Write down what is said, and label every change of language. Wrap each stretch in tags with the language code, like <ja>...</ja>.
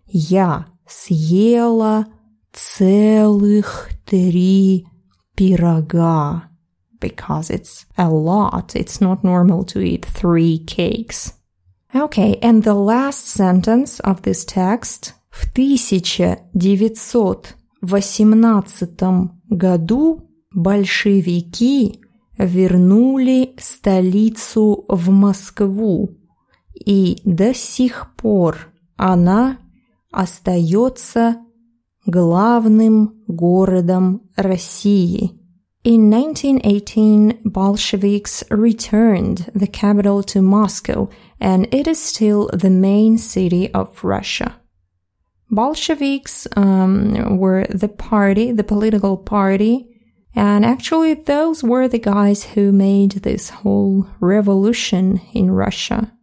<ru>Я съела целых три пирога.</ru> <en>Because it's a lot. It's not normal to eat 3 cakes. Okay, and the last sentence of this text.</en> <ru>В 1918 году большевики вернули столицу в Москву, и до сих пор она остается главным городом России.</ru> <en>In 1918, Bolsheviks returned the capital to Moscow, and it is still the main city of Russia. Bolsheviks were the party, the political party, and actually those were the guys who made this whole revolution in Russia.</en>